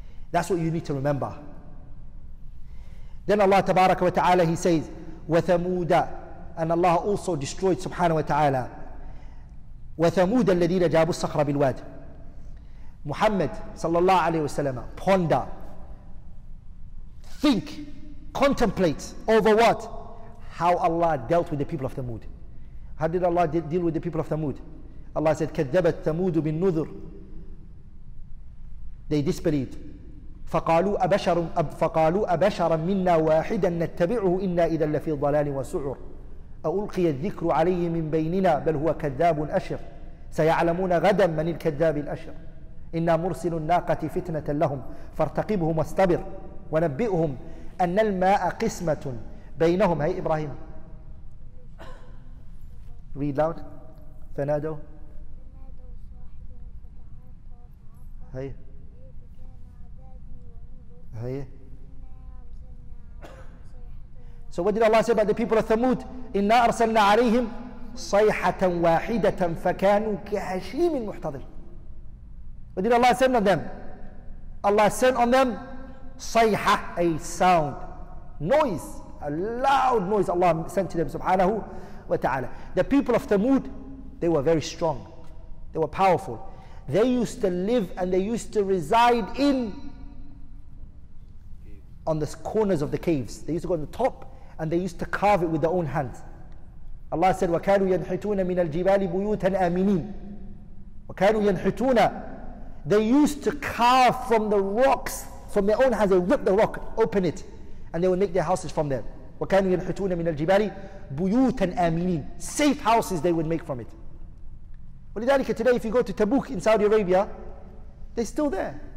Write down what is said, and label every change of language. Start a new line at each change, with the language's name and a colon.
English: That's what you need to remember. Then Allah Tabarak wa Ta'ala, He says, وَثَمُودَ, and Allah also destroyed, Subhanahu wa Ta'ala,
Arabic: وَثَمُودَ الَّذِينَ جَابُوا الصَّخْرَ بِالْوَادِ.
English: Muhammad sallallahu alayhi wa sallam, ponder, think, contemplate over what? How Allah dealt with the people of Thamud. How did Allah deal with the people of Thamud? Allah said,
Arabic: كَذَّبَتْ ثَمُودُ بِالنُّذُرِ.
English: They disbelieved.
Arabic: فَقَالُوا أَبَشَرًا مِنَّا وَاحِدًا نَتَّبِعُهُ إِنَّا إِذَا لَفِي الضَّلَالِ وَسُعُرٍ. أُلْقِيَ الذِّكْرُ عَلَيْهِ مِنْ بَيْنِنَا بَلْ هُوَ كَذَّابٌ أَشِرٌ. سَيَعْلَمُونَ غَدًا مَنِ الْكَذَّابِ الْأَشِرُ. إِنَّا مُرْسِلُ النَّاقَةِ فِتْنَةً لَهُمْ فَارْتَقِبْهُمْ وَاصْطَبِرْ وَنَبِّئْهُمْ أن الماء قسمة بينهم. هاي إبراهيم.
English: Read loud.
Arabic: فنادوا. هاي. هاي.
English: So what did Allah say about the people of Thamud?
Arabic: إنا أرسلنا عليهم صيحة واحدة فكانوا كهشيم المحتضر.
English: What did Allah send on them? Allah sent on them صيحة, a sound. Noise, a loud noise Allah sent to them, subhanahu wa ta'ala. The people of Thamud, they were very strong. They were powerful. They used to live and they used to reside in on the corners of the caves. They used to go on the top and they used to carve it with their own hands. Allah said,
Arabic: وَكَانُوا يَنْحِتُونَ مِنَ الْجِبَالِ بُيُوتًا آمِنِينَ. وَكَانُوا يَنْحِتُونَ.
English: They used to carve from the rocks, from their own hands. They ripped the rock, open it, and they would make their houses from there.
Arabic: وَكَانُوا يَنْحِتُونَ مِنَ الْجِبَالِ بُيُوتًا آمِنِينَ.
English: Safe houses they would make from it.
Arabic: وَلِذَلِكَ,
English: today if you go to Tabuk in Saudi Arabia, they're still there.